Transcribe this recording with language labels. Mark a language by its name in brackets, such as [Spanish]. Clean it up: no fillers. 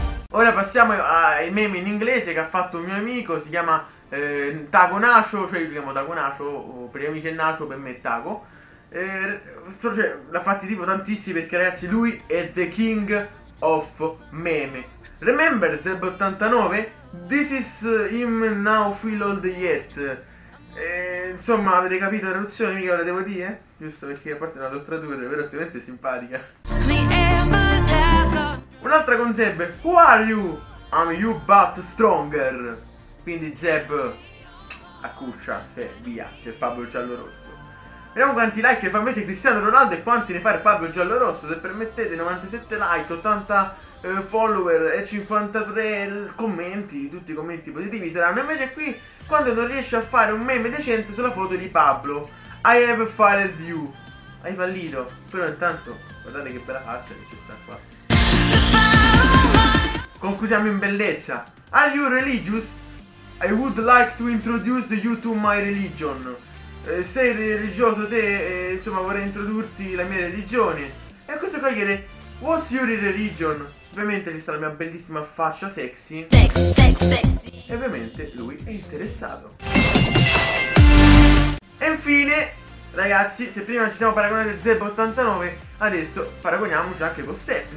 [Italian] Ora passiamo ai meme in inglese che ha fatto un mio amico, si chiama Tago Nacho, cioè io chiamo Tago Nacho, per gli amici è Nacho, per me è Tago. Cioè, l'ha fatti tipo tantissimi perché ragazzi lui è [English] the king of meme. Remember Zeb 89? This is him now feel old yet. [Italian] Insomma, avete capito la traduzione, mica ve la devo dire? Giusto perché a parte la lo tradurre, però sicuramente è simpatica. Un'altra con [English] Zeb: who are you? I'm you but stronger. [Italian] Quindi Zeb a cuccia, cioè via, c'è Fabio Giallorosso. Vediamo quanti like fa invece Cristiano Ronaldo e quanti ne fa il Fabio Giallorosso. Se permettete, 97 like, 80 follower e 53 commenti, tutti i commenti positivi saranno. Invece qui, quando non riesce a fare un meme decente sulla foto di Pablo: [English] I have failed you. [Italian] Hai fallito. Però intanto, guardate che bella faccia che ci sta qua. Concludiamo in bellezza. [English] Are you religious? I would like to introduce you to my religion. [Italian] Sei religioso te, insomma vorrei introdurti la mia religione. E a questo qua chiede: [English] what's your religion? [Italian] Ovviamente ci sta la mia bellissima fascia sexy. Sexy. E ovviamente lui è interessato. E infine, ragazzi, se prima ci siamo paragonati a Zeb89, adesso paragoniamoci anche con Steph.